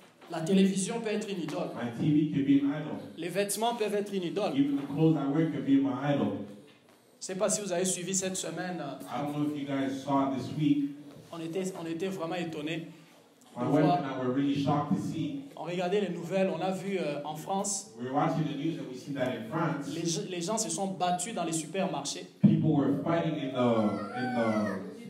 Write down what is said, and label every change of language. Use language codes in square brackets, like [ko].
[fr] La télévision peut être une idole. [en] My TV could be an idol. [fr] Les vêtements peuvent être une idole. [en] Even the clothes I wear could be my idol. [fr] Je sais pas si vous avez suivi cette semaine. [en] I don't know if you guys saw this week. [fr] On était vraiment étonnés. [en] My wife and I were really shocked to see. [fr] On regardait les nouvelles, on a vu en France. [en] We were watching the news and we see that in France. [fr] Les gens se sont battus dans les supermarchés. [en] People were fighting in the